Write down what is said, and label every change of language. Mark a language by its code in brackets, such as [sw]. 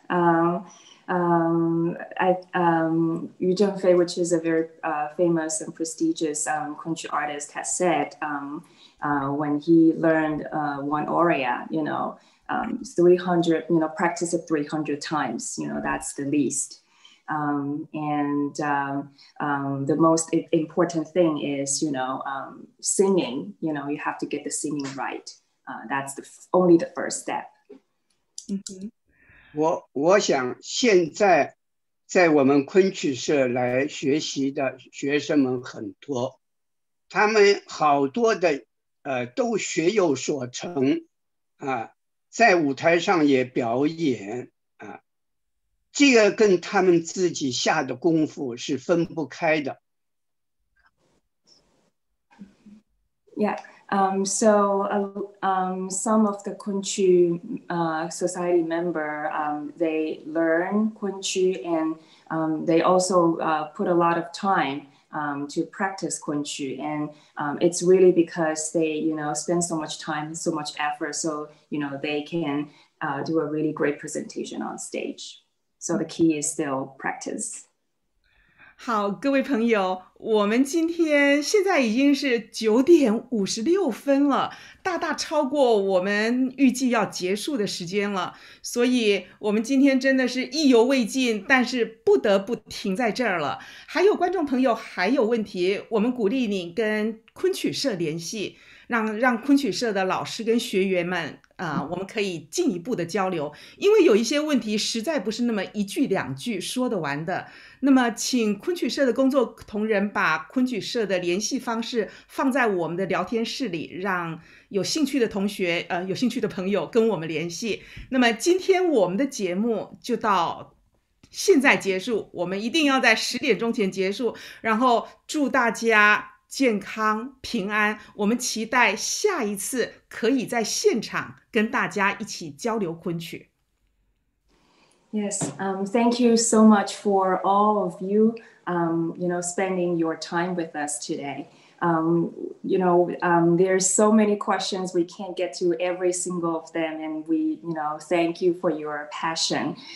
[en] Yu Zhengfei, which is a very famous and prestigious Kunqu artist, has said when he learned one aria, 300, practice it 300 times, that's the least. The most important thing is, singing, you have to get the singing right. That's only the first step. [zh] 我想现在在我们昆曲社来学习的学生们很多，他们好多的都学有所成啊，在舞台上也表演啊，这个跟他们自己下的功夫是分不开的。 [en] So some of the Kunqu society member, they learn Kunqu and they also put a lot of time to practice Kunqu. And it's really because they, you know, spend so much time, so much effort, so, you know, they can do a really great presentation on stage. So the key is still practice. [zh] 好，各位朋友，我们今天现在已经是9:56了，大大超过我们预计要结束的时间了，所以我们今天真的是意犹未尽，但是不得不停在这儿了。还有观众朋友还有问题，我们鼓励你跟昆曲社联系，让昆曲社的老师跟学员们我们可以进一步的交流，因为有一些问题实在不是那么一句两句说得完的。那么请昆曲社的工作同仁把昆曲社的联系方式放在我们的聊天室里，让有兴趣的同学有兴趣的朋友跟我们联系。那么今天我们的节目就到现在结束，我们一定要在10:00前结束，然后祝大家健康平安，我们期待下一次可以在现场跟大家一起交流昆曲。 [en] Yes, thank you so much for all of you, you know, spending your time with us today. You know, there's so many questions, we can't get to every single of them, and we, you know, thank you for your passion.